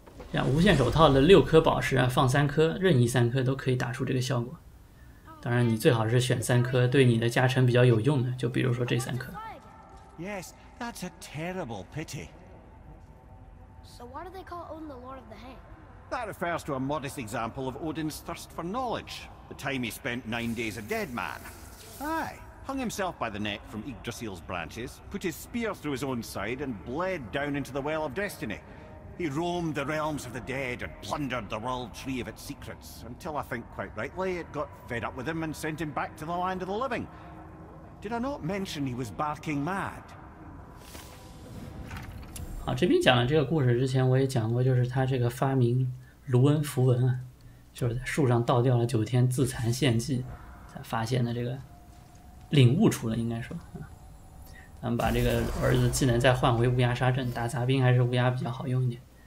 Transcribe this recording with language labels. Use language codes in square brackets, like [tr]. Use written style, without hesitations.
[zh] 这样无限手套的六颗宝石啊，放三颗，任意三颗都可以打出这个效果。当然，你最好是选三颗对你的加成比较有用的，就比如说这三颗。 [en] Yes, that's a terrible pity. So why do they call Odin the Lord of the Hang? That refers to a modest example of Odin's thirst for knowledge. The time he spent 9 days a dead man. Aye, hung himself by the neck from Yggdrasil's branches, put his spear through his own side, and bled down into the Well of Destiny. He roamed the realms of the dead and plundered the world tree of its secrets until I think quite rightly it got fed up with him and sent him back to the land of the living. Did I not mention he was barking mad? [zh] 好，这边讲的这个故事之前我也讲过，就是他这个发明卢恩符文啊，就是在树上倒吊了九天自残献祭才发现的这个领悟出了应该说，咱们把这个儿子技能再换回乌鸦杀阵，打杂兵还是乌鸦比较好用一点。